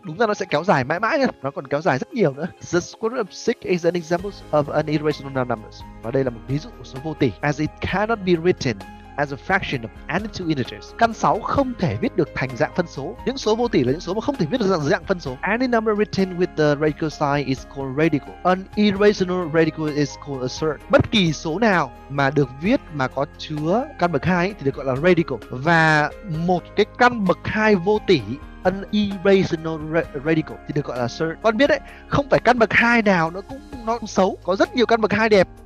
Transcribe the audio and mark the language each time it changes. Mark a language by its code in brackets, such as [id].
[vi] Đúng ra nó sẽ kéo dài mãi mãi nha. Nó còn kéo dài rất nhiều nữa. [en] The square root of 6 is an example of an irrational number. [vi] Và đây là một ví dụ của số vô tỉ. [en] As it cannot be written as a fraction of any two integers. [vi] Căn 6 không thể viết được thành dạng phân số. Những số vô tỉ là những số mà không thể viết được dạng phân số. [en] Any number written with the radical sign is called radical. An irrational radical is called a certain. [vi] Bất kỳ số nào mà được viết mà có chứa căn bậc 2 thì được gọi là radical. Và một cái căn bậc 2 vô tỉ, [en] an irrational radical, [vi] thì được gọi là certain. Con biết đấy, không phải căn bậc 2 nào nó cũng xấu. Có rất nhiều căn bậc 2 đẹp.